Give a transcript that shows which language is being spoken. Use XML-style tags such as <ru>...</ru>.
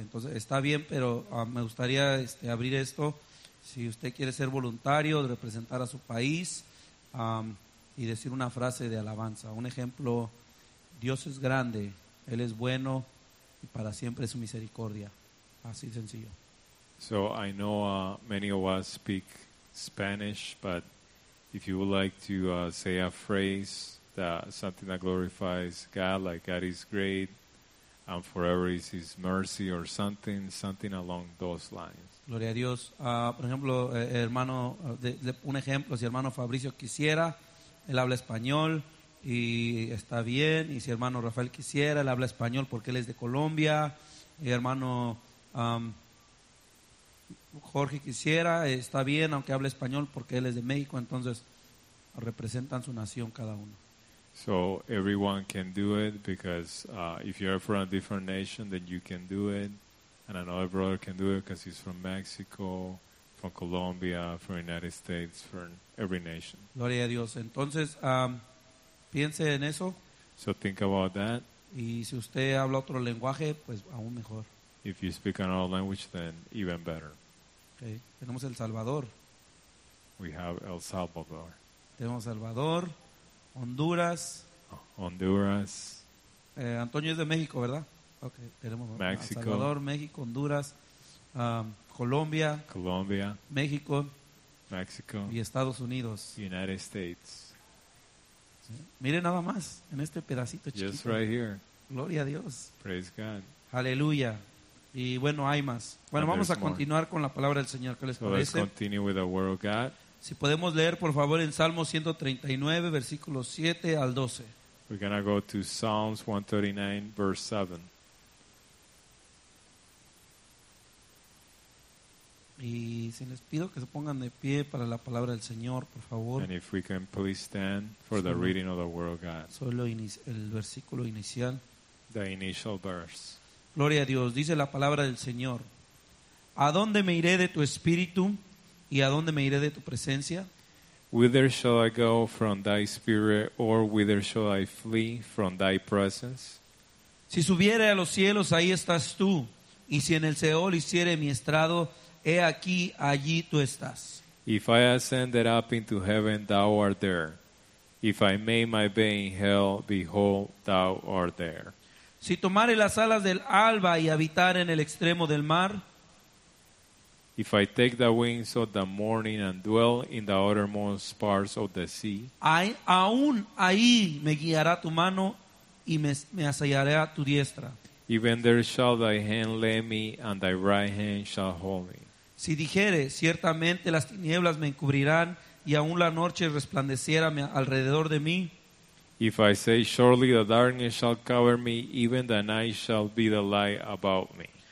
<es>Entonces está bien, pero me gustaría abrir esto. Si usted quiere ser voluntario, representar a su país y decir una frase de alabanza. Un ejemplo, Dios es grande, Él es bueno y para siempre es su misericordia. Así sencillo.</es> <en>So I know many of us speak Spanish, but if you would like to say a phrase, something that glorifies God, like God is great, and forever is His mercy, or something along those lines.</en> <es>Gloria a Dios. Por ejemplo, hermano, un ejemplo, si hermano Fabricio quisiera, él habla español y está bien. Y si hermano Rafael quisiera, él habla español porque él es de Colombia. Y hermano Jorge quisiera, está bien, aunque hable español porque él es de México. Entonces, representan su nación cada uno.</es> <en>So everyone can do it because if you're from a different nation, then you can do it. And another brother can do it because he's from Mexico, from Colombia, from the United States, from every nation.</en> <es>Gloria a Dios. Entonces, piense en eso.</es> <en>So think about that.</en> <es>Y si usted habla otro lenguaje, pues aún mejor.</es> <en>If you speak another language, then even better.</en> <es>Okay. Tenemos El Salvador.</es> <en>We have El Salvador.</en> <es>Tenemos Salvador. Honduras.</es> <en>Honduras.</en> <es>Antonio es de México, ¿verdad? Okay, tenemos México. Salvador, México, Honduras, Colombia.</es> <en>Colombia.</en> <es>México.</es> <en>México.</en> <es>Y Estados Unidos.</es> <en>United States.</en> <es>¿Sí? Mire nada más en este pedacito chiquito.</es> <en>Just right here.</en> <es>Gloria a Dios.</es> <en>Praise God.</en> <es>Aleluya. Y bueno, hay más. Bueno,</es> <en>and</en> <es>vamos a continuar</es> <en>more</en> <es>con la palabra del Señor. ¿Qué les</es> <en>so</en> <es>parece?</es> <en>Let's continue with the word of God.</en> <es>Si podemos leer, por favor, en Salmo 139, versículos 7 al 12.</es> <en>We're going to go to Psalms 139, verse 7.</en> <es>Y si les pido que se pongan de pie para la palabra del Señor, por favor.</es> <en>And if we can please stand for the reading of the word of God.</en> <es>Solo el versículo inicial.</es> <en>The initial verse.</en> <es>Gloria a Dios. Dice la palabra del Señor. ¿A dónde me iré de tu espíritu? ¿Y a dónde me iré de tu presencia?</es> <en>Whither shall I go from thy spirit, or whither shall I flee from thy presence?</en> <es>Si subiere a los cielos, ahí estás tú. Y si en el Seol hiciere mi estrado, he aquí, allí tú estás.</es> <en>If I ascended up into heaven, thou art there. If I made my bed in hell, behold, thou art there.</en> <es>Si tomare las alas del alba y habitar en el extremo del mar.</es> <en>If I take the wings of the morning and dwell in the uttermost parts of the sea.</en> <es>Aún ahí me guiará tu mano y me asallará tu diestra.</es> <en>Even there shall thy hand lead me and thy right hand shall hold me.</en> <es>Si dijere, ciertamente las tinieblas me encubrirán y aún la noche resplandeciera alrededor de mí.</es> <en>If I say, surely the darkness shall cover me, even the night shall be the light about me.</en>